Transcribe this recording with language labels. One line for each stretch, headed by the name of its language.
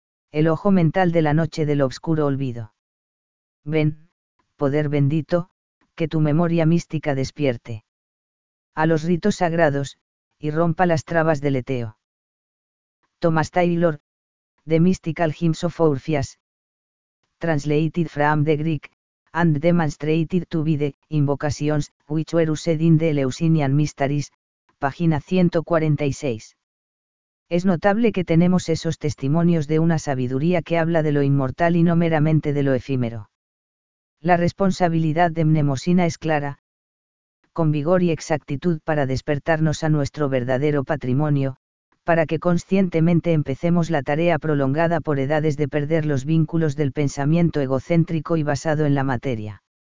Spanish: El ojo mental de la noche del obscuro olvido. Ven, poder bendito, que tu memoria mística despierte. A los ritos sagrados, y rompa las trabas del Leteo.
English: Thomas Taylor, The Mystical Hymns of Orpheus. Translated from the Greek, and demonstrated to be the invocations, which were used in the Eleusinian Mysteries, página 146.
Spanish: Es notable que tenemos esos testimonios de una sabiduría que habla de lo inmortal y no meramente de lo efímero. La responsabilidad de Mnemosina es clara, con vigor y exactitud para despertarnos a nuestro verdadero patrimonio, para que conscientemente empecemos la tarea prolongada por edades de perder los vínculos del pensamiento egocéntrico y basado en la materia.